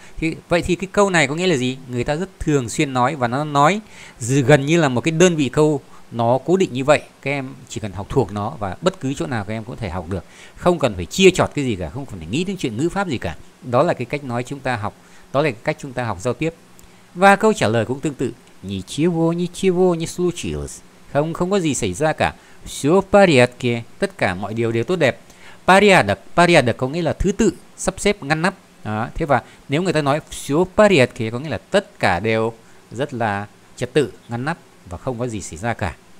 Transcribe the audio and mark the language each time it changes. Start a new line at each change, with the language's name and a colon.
Vietnamese: Thì, vậy thì cái câu này có nghĩa là gì? Người ta rất thường xuyên nói và nó nói gần như là một cái đơn vị câu nó cố định như vậy. Các em chỉ cần học thuộc nó và bất cứ chỗ nào các em có thể học được. Không cần phải chia chọt cái gì cả, không cần phải nghĩ đến chuyện ngữ pháp gì cả. Đó là cái cách nói chúng ta học, đó là cái cách chúng ta học giao tiếp. Và câu trả lời cũng tương tự.
Russian: Ничего, ничего, не случилось.
Vietnamese: Không, không có gì xảy ra cả.
Russian: Все в порядке.
Vietnamese: Тất cả mọi điều đều tốt đẹp.
Russian: Порядок.
Vietnamese: Порядок có nghĩa là thứ tự, sắp xếп, ngăn nắp. Đó, thế và nếu người ta nói
Russian: все в порядке
Vietnamese: thì có nghĩa là tất cả đều rất là trật tự, ngăn nắp và không có gì xảy ra cả.